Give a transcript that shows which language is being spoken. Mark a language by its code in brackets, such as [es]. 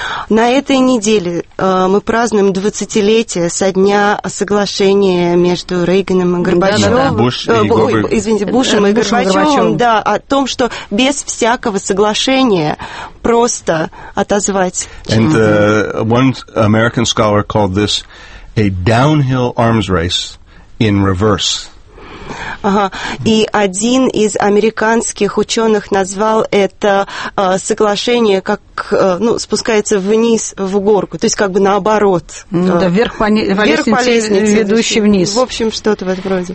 [ru] На этой неделе мы празднуем 20-летие со дня соглашения между Рейганом и Горбачевым. Бушем и Горбачевым, да, о том, что без всякого соглашения просто отозвать. [en] And one American scholar called this a downhill arms race in reverse. [ru] Ага. И один из американских ученых назвал это соглашение как спускается вниз в горку, то есть как бы наоборот. Да, вверх по лестнице, ведущей вниз. В общем, что-то в этом роде.